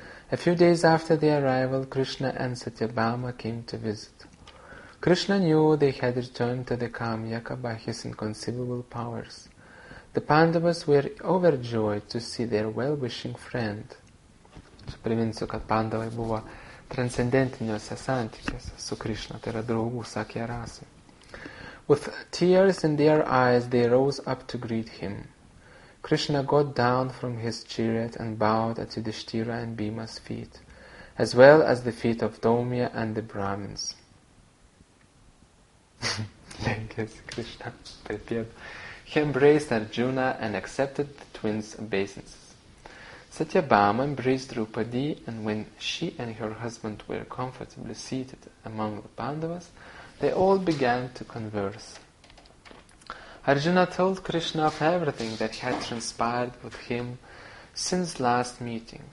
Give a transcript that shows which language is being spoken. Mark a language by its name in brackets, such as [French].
[English] A few days after the arrival, Krishna and Satyabhama came to visit. Krishna knew they had returned to the Kamyaka by his inconceivable powers. The Pandavas were overjoyed to see their well-wishing friend. [Lithuanian] Aš priminsiu, kad Pandavai buvo transcendentiniuose santykiuose su Krishna, tai yra draugų sakė rasai. [English] With tears in their eyes, they rose up to greet him. Krishna got down from his chariot and bowed at Yudhishthira and Bhima's feet, as well as the feet of Daumya and the Brahmins. [Lithuanian] Lenkėsi Krishna, taip jie. [English] He embraced Arjuna and accepted the twins' obeisances. Satyabhama embraced Rupadi, and when she and her husband were comfortably seated among the Pandavas, they all began to converse. Arjuna told Krishna of everything that had transpired with him since last meeting.